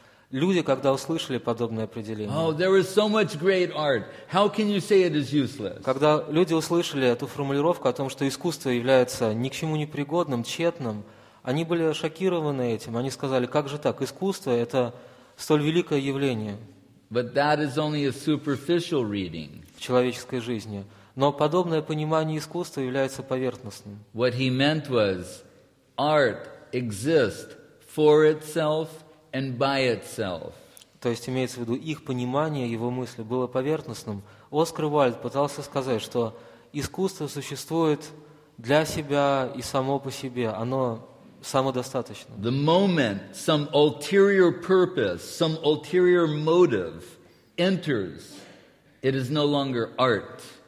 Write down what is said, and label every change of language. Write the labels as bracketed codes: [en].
[ru] Люди, когда услышали подобное определение, [en] oh, there is so much great art. How can you say it is useless? [ru] Когда люди услышали эту формулировку о том, что искусство является ни к чему не пригодным, тщетным, они были шокированы этим. Они сказали, как же так, искусство – это столь великое явление. [en] But that is only a superficial reading. [ru] В человеческой жизни. Но подобное понимание искусства является поверхностным. [en] What he meant was, art exists for itself and by itself. [ru] То есть имеется в виду их понимание, его мысли было поверхностным. Оскар Уайльд пытался сказать, что искусство существует для себя и само по себе, оно самодостаточно. [en] The moment some ulterior purpose, some ulterior motive enters, it is no longer art.